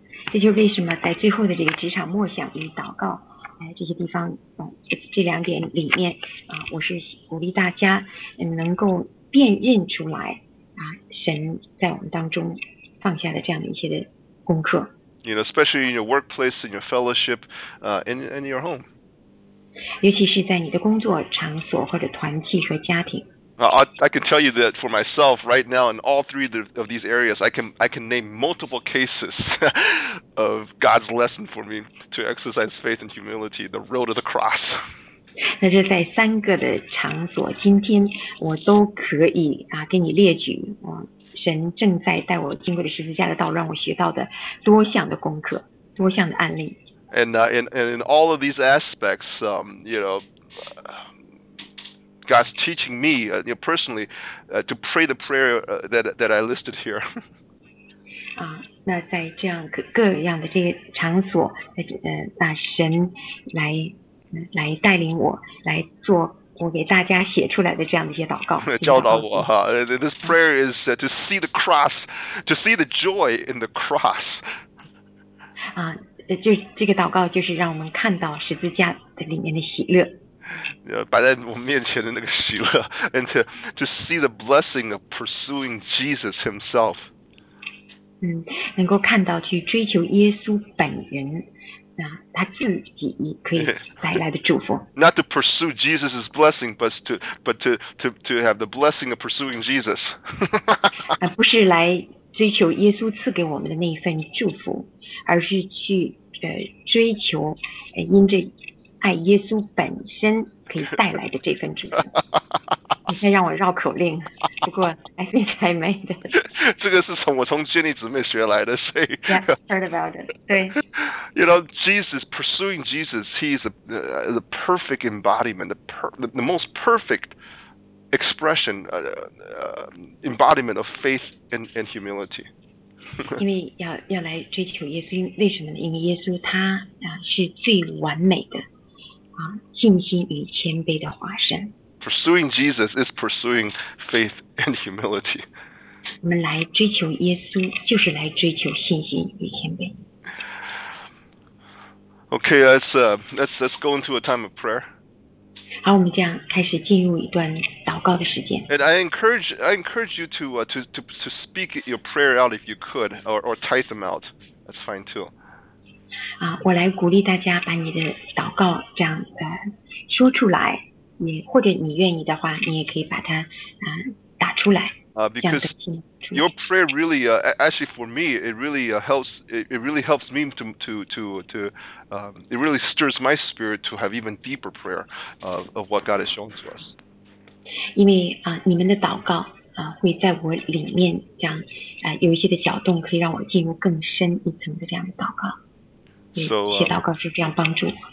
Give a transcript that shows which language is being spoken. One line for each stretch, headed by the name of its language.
Chinese: 这就是为什么在最后的这个职场默想与祷告这些地方这两点里面我是鼓励大家能够辨认出来神在我们当中放下的这样的一些的功课。
English: You know, especially in your workplace, in your fellowship, in your home.
Chinese: 尤其是在你的工作场所或者团契和家庭。
English: I can tell you that for myself, right now, in all three of these areas, I can name multiple cases of God's lesson for me to exercise faith and humility, the road of the cross.
Chinese: 那就在三个的场所，今天我都可以给你列举神正在带我经过的十字架的道，让我学到的多项的功课，多项的案例。
English: And in all of these aspects, God's teaching me, personally, to pray the prayer that I listed here.
Chinese: 那在这样各样的这个场所，神来带领我来做我给大家写出来的这样的一些祷告。教导我哈
English: ，this prayer is to see the cross, to see the joy in the cross.
Chinese: 就这个祷告就是让我们看到十字架的里面的喜乐。摆在我面前的那个喜乐
English: and to see the blessing of pursuing Jesus himself.
Chinese: 能够看到去追求耶稣本人他自己可以带来的祝福。
English: Not to pursue Jesus' blessing, but to have the blessing of pursuing Jesus.
Chinese: 不是来追求耶稣赐给我们的那一份祝福，而是去追求因着爱耶稣本身可以带来的这份祝福。你先让我绕口令，不过
English: I think I made it.
Chinese: 这个是从我从Jenny姊妹学来的，所以
English: Yeah, heard about it. 对。 You know, Jesus, pursuing Jesus, he is the perfect embodiment, the most perfect expression, embodiment of faith and humility.
Chinese: 因为要来追求耶稣，为什么呢？因为耶稣他是最完美的信心与谦卑的化身。
English: Pursuing Jesus is pursuing faith and humility.
Chinese: 我们来追求耶稣，就是来追求信心与谦卑。
English: Okay, let's go into a time of prayer.
Chinese: 好，我们这样开始进入一段祷告的时间。
English: And I encourage you to speak your prayer out if you could, or type them out. That's fine too.
Chinese: 啊，我来鼓励大家把你的祷告这样说出来。你或者你愿意的话，你也可以把它打出来。
English: Because your prayer really, actually for me, it really helps me it really stirs my spirit to have even deeper prayer of what God has shown to us.
Chinese: 因为你们的祷告会在我里面这样有一些的搅动，可以让我进入更深一层的这样的祷告。
English: So,
Chinese: 一些祷告是这样帮助我。